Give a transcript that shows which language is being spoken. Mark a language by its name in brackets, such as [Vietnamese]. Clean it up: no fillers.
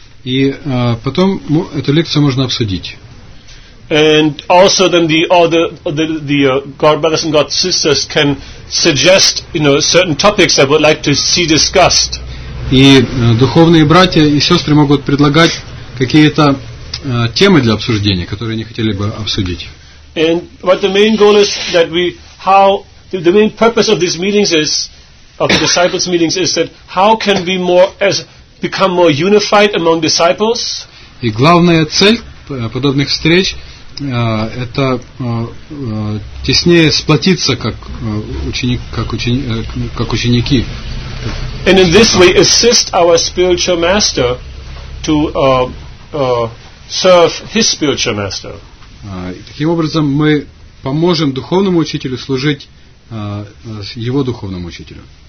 [Russian] И потом эту лекцию можно обсудить. [English] And also then the God brothers and God sisters can suggest, you know, certain topics that would like to see discussed. [Russian] И духовные братья и сестры могут предлагать какие-то темы для обсуждения, которые они хотели бы обсудить. [English] And what the main goal is that we how the main purpose of these meetings is of the disciples meetings is that how can we more as become more unified among disciples. [Russian] И главная цель подобных встреч это теснее сплотиться как ученики. [English] And in this way assist our spiritual master to serve his spiritual master. [Russian] Таким образом мы поможем духовному учителю служить его духовному учителю.